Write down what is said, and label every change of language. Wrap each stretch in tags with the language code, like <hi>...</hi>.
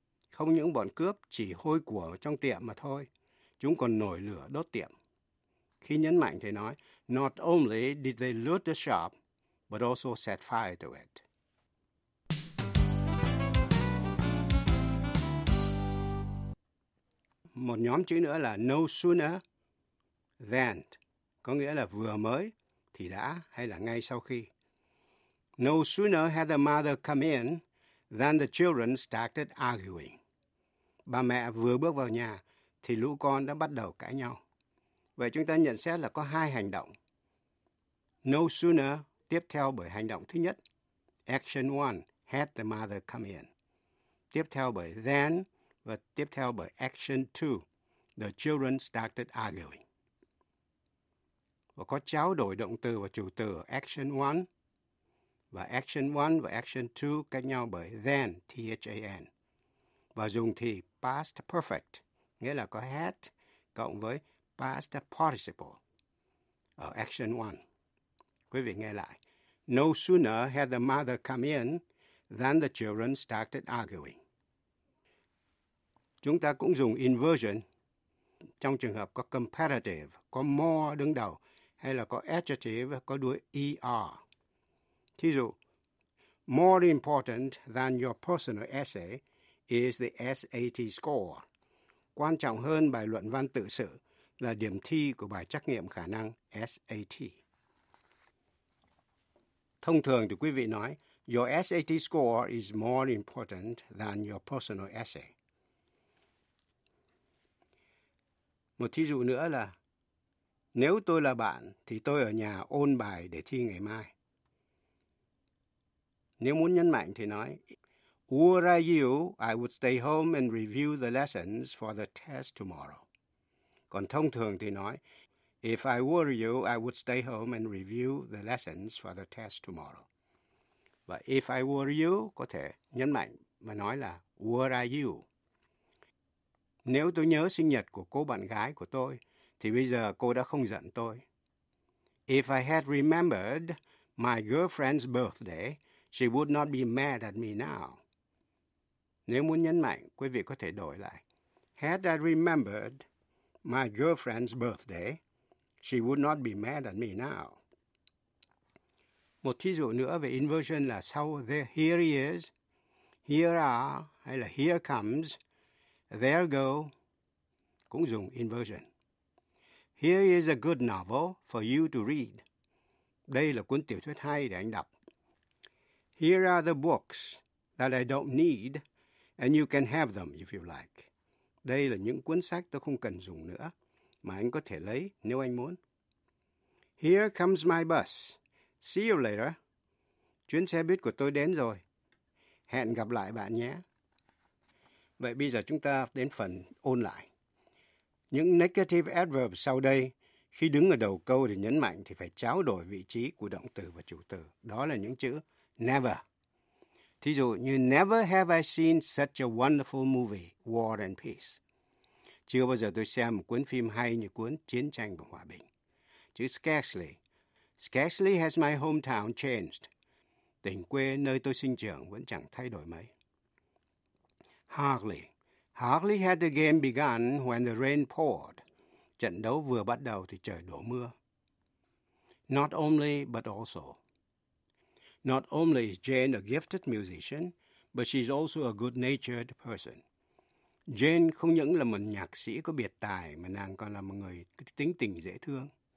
<vi>Không những bọn cướp chỉ hôi của trong tiệm mà thôi, chúng còn nổi lửa đốt tiệm. Khi nhấn mạnh thì nói,</vi> <en>not only did they loot the shop, but also set fire to it.</en> <vi>Một nhóm chữ nữa là no sooner than, có nghĩa là vừa mới thì đã hay là ngay sau khi.</vi> <en>No sooner had the mother come in than the children started arguing.</en> <vi>Bà mẹ vừa bước vào nhà thì lũ con đã bắt đầu cãi nhau. Vậy chúng ta nhận xét là có hai hành động. No sooner tiếp theo bởi hành động thứ nhất.</vi> <en>Action one, had the mother come in.</en> <vi>Tiếp theo bởi then và tiếp theo bởi</vi> <en>action two, the children started arguing.</en> <vi>Và có trao đổi động từ và chủ từ action one. Và action 1 và action 2 cách nhau bởi then, T-H-A-N. Và dùng thì past perfect, nghĩa là có had cộng với past participle ở action 1. Quý vị nghe lại.</vi> <en>No sooner had the mother come in than the children started arguing.</en> <vi>Chúng ta cũng dùng inversion trong trường hợp có comparative, có more đứng đầu, hay là có adjective có đuôi er. Thí dụ,</vi> <en>more important than your personal essay is the SAT score.</en> <vi>Quan trọng hơn bài luận văn tự sự là điểm thi của bài trắc nghiệm khả năng SAT. Thông thường thì quý vị nói,</vi> <en>your SAT score is more important than your personal essay.</en> <vi>Một thí dụ nữa là, nếu tôi là bạn thì tôi ở nhà ôn bài để thi ngày mai. Nếu muốn nhấn mạnh thì nói,</vi> <en>were I you, I would stay home and review the lessons for the test tomorrow.</en> <vi>Còn thông thường thì nói,</vi> <en>if I were you, I would stay home and review the lessons for the test tomorrow.</en> <vi>Và</vi> <en>if I were you,</en> <vi>có thể nhấn mạnh mà nói là,</vi> <en>were I you.</en> <vi>Nếu tôi nhớ sinh nhật của cô bạn gái của tôi, thì bây giờ cô đã không giận tôi.</vi> <en>If I had remembered my girlfriend's birthday, she would not be mad at me now.</en> <vi>Nếu muốn nhấn mạnh, quý vị có thể đổi lại.</vi> <en>Had I remembered my girlfriend's birthday, she would not be mad at me now.</en> <vi>Một thí dụ nữa về inversion là sau there, here he is, here are, hay là here comes, there go, cũng dùng inversion.</vi> <en>Here is a good novel for you to read.</en> <vi>Đây là cuốn tiểu thuyết hay để anh đọc.</vi> <en>Here are the books that I don't need, and you can have them if you like.</en> <vi>Đây là những cuốn sách tôi không cần dùng nữa, mà anh có thể lấy nếu anh muốn.</vi> <en>Here comes my bus. See you later.</en> <vi>Chuyến xe buýt của tôi đến rồi. Hẹn gặp lại bạn nhé. Vậy bây giờ chúng ta đến phần ôn lại. Những negative adverbs sau đây, khi đứng ở đầu câu để nhấn mạnh thì phải trao đổi vị trí của động từ và chủ từ. Đó là những chữ never. Thí dụ như</vi> <en>never have I seen such a wonderful movie, War and Peace.</en> <vi>Chưa bao giờ tôi xem một cuốn phim hay như cuốn Chiến tranh và Hòa bình. Chữ scarcely.</vi> <en>Scarcely has my hometown changed.</en> <vi>Tỉnh quê nơi tôi sinh trưởng vẫn chẳng thay đổi mấy.</vi> <en>Hardly. Hardly had the game begun when the rain poured.</en> <vi>Trận đấu vừa bắt đầu thì trời đổ mưa.</vi> <en>Not only, but also. Not only is Jane a gifted musician, but she's also a good-natured person.</en> <vi>Jane không những là một nhạc sĩ có biệt tài mà nàng còn là một người tính tình dễ thương.</vi>